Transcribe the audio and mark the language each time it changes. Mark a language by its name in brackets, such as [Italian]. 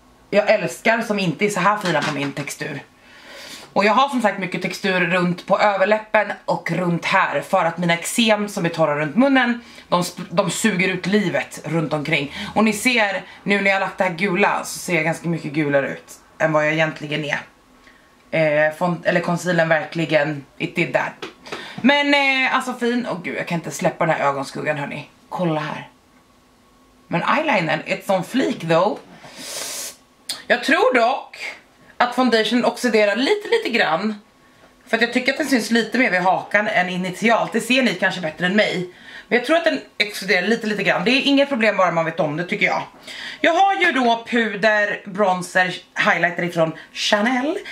[Swedish] Jag älskar som inte är så här fina på min textur. Och jag har som sagt mycket textur runt på överläppen och runt här. För att mina eksem som är torra runt munnen, de suger ut livet runt omkring. Och ni ser, nu när jag har lagt det här gula så ser jag ganska mycket gulare ut än vad jag egentligen är. Concealern verkligen, [English] it did that. [Swedish] Men alltså fin, åh gud jag kan inte släppa den här ögonskuggan hörni. Kolla här. Men [English] eyeliner, it's on fleek though. [Swedish] Jag tror dock att foundation oxiderar lite grann. För att jag tycker att den syns lite mer vid hakan än initialt. Det ser ni kanske bättre än mig. Men jag tror att den exploderar lite grann. Det är inget problem bara man vet om det tycker jag. Jag har ju då puder, bronzer, highlighter ifrån Chanel.